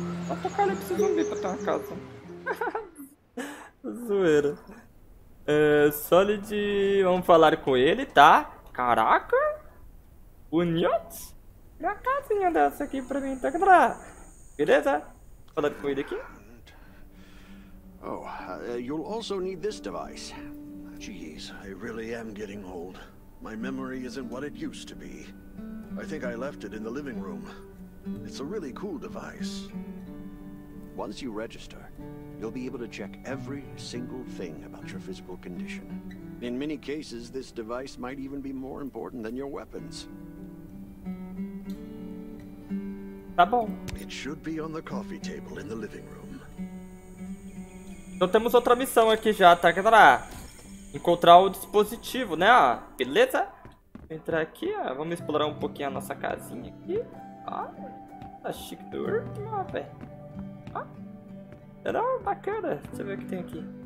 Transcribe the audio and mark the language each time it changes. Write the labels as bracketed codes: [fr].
[pt] Apocalipse zumbi pra ter uma casa. Zoeira. Solid, vamos falar com ele, tá? Caraca! Bonito! Uma casinha dessa aqui pra mim, tá? Beleza? Vou falar com ele aqui. [en] Oh, you'll also need this device. Jeez, I really am getting old. My memory isn't what it used to be. I think I left it in the living room. It's a really cool device. Once you register, you'll be able to check every single thing about your physical condition. In many cases, this device might even be more important than your weapons. [pt] Tá bom. [en] It should be on the coffee table in the living room. [pt] Então temos outra missão aqui já, tá, galera? Encontrar o dispositivo, né, ó. Beleza? Vou entrar aqui, ó. Vamos explorar um pouquinho a nossa casinha aqui. Ó, tá chique do urbano, ó, velho. Ó, era bacana. Deixa eu ver o que tem aqui.